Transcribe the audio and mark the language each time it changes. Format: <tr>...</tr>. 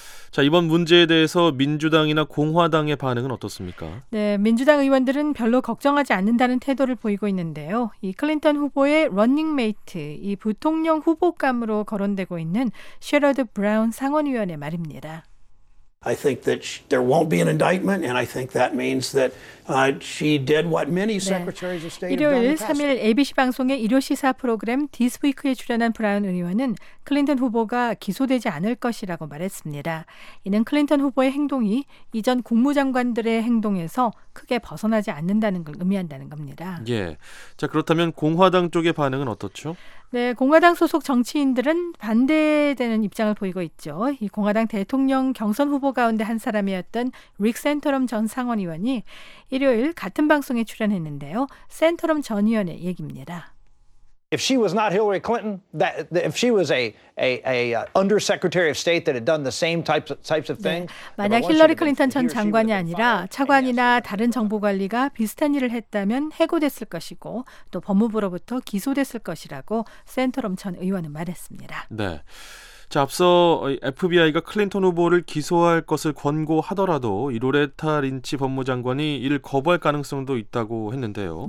<ko>자, 이번 문제에 대해서 민주당이나 공화당의 반응은 어떻습니까? 네, 민주당 의원들은 별로 걱정하지 않는다는 태도를 보이고 있는데요. 이 클린턴 후보의 러닝메이트, 이 부통령 후보감으로 거론되고 있는 셰러드 브라운 상원의원의 말입니다.</ko> <en>I think that there won't be an indictment, and I think that means that she did what many secretaries of state have done.</en> <ko>일요일 3일 ABC 방송의 일요 시사 프로그램 This Week에 출연한 브라운 의원은 클린턴 후보가 기소되지 않을 것이라고 말했습니다. 이는 클린턴 후보의 행동이 이전 국무장관들의 행동에서 크게 벗어나지 않는다는 걸 의미한다는 겁니다. 예. 자, 그렇다면 공화당 쪽의 반응은 어떻죠? 네, 공화당 소속 정치인들은 반대되는 입장을 보이고 있죠. 이 공화당 대통령 경선 후보 가운데 한 사람이었던 릭 센터럼 전 상원 의원이 일요일 같은 방송에 출연했는데요. 센터럼 전 의원의 얘기입니다.</ko> <en>If she was not Hillary Clinton, that if she was a undersecretary of state that had done the same types of things.</en> <ko>네, 만약 힐러리 클린턴 전 장관이 아니라 차관이나 다른 정보 관리가 비슷한 일을 했다면 해고됐을 것이고 또 법무부로부터 기소됐을 것이라고 센터럼 전 의원은 말했습니다. 네. 자, 앞서 FBI가 클린턴 후보를 기소할 것을 권고하더라도 이 로레타 린치 법무장관이 이를 거부할 가능성도 있다고 했는데요.</ko>